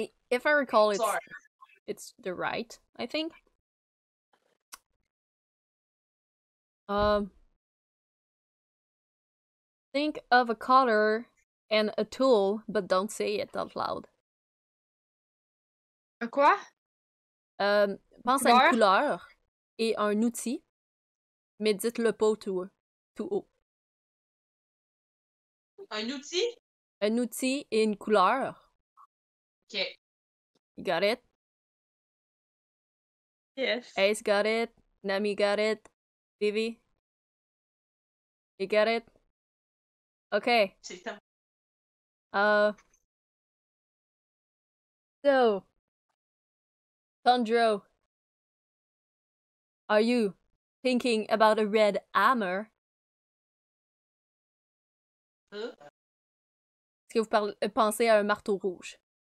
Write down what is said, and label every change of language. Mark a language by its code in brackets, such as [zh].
[en] If I recall, it's the right, I think. Think of a color and a tool, but don't say it out loud. [fr] A quoi? Pense à une couleur et un outil, mais dites-le pas tout haut. Un outil et une couleur. Ok. [en] You got it? Yes. Ace got it. Nami got it. Vivi? You got it? Okay. So, Tundro, are you thinking about a red armor? Huh? [fr] Est-ce que vous pensez à un marteau rouge?